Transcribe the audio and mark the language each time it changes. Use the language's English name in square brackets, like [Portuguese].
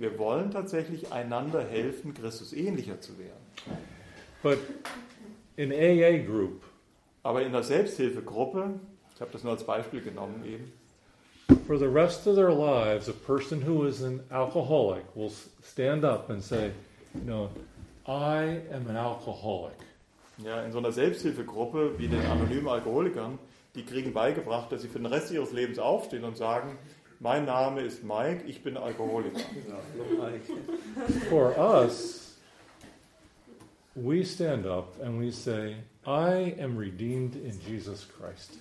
[German] Wir wollen tatsächlich einander helfen, Christus ähnlicher zu werden. [English] But in AA group. [German] Aber in der Selbsthilfegruppe, ich habe das nur als Beispiel genommen eben. [English] For the rest of their lives, a person who is an alcoholic will stand up and say, "No, I am an alcoholic." [German] Ja, in so einer Selbsthilfegruppe wie den anonymen Alkoholikern, die kriegen beigebracht, dass sie für den Rest ihres Lebens aufstehen und sagen: "Mein Name ist Mike, ich bin Alkoholiker." [English] For us, we stand up and we say, I am redeemed in Jesus Christ.